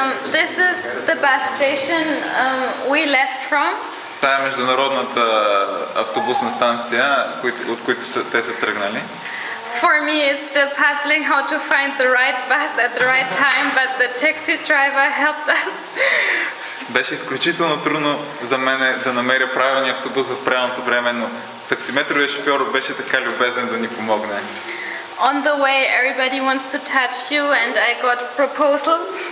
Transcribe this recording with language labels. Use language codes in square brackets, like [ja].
[en] This is the bus station we left from. [bg] Та е международната автобусна станция, от които те са тръгнали. [en] For me it's the puzzling how to find the right bus at the right time, but the taxi driver helped us. [bg] Беше изключително трудно за мен да намеря правилния автобус в правилното време, но таксиметровият шофьор беше така любезен да ни помогне. [en] On the way everybody wants to touch you and I got proposals.